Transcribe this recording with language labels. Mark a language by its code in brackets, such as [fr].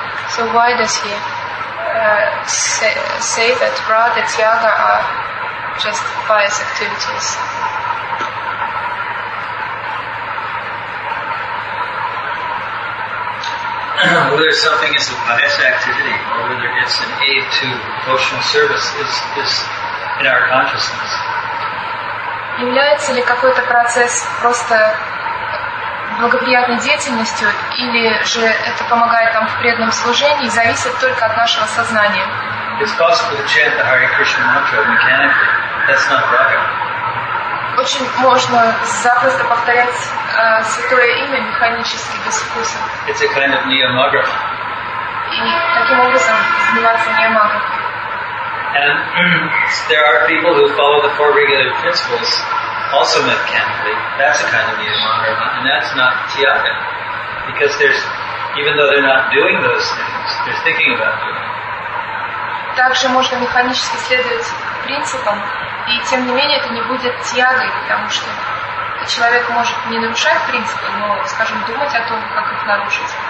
[en] So why does he say that vrata, tyaga are just pious activities? Whether something is a pious activity or whether it's an aid to devotional service is in our consciousness. [ru] Является ли какой-то процесс просто благоприятной деятельностью, или же это помогает нам в преданном служении, зависит только от нашего сознания. [en] It's possible to chant the Hare Krishna mantra mechanically. That's not vraga. [ru] Очень можно запросто повторять святое имя механически, без вкуса. [en] It's a kind of niyamagra. [ru] И таким образом заниматься niyamagra. [en] And there are people who follow the four regulative principles also mechanically. That's a kind of niyamagra, and that's not tyaga. Because there's, even though they're not doing those things, they're thinking about doing them. [ru] Также можно механически следовать принципам, и тем не менее это не будет тягой, потому что человек может не нарушать принципы, но, скажем, думать о том, как их нарушить.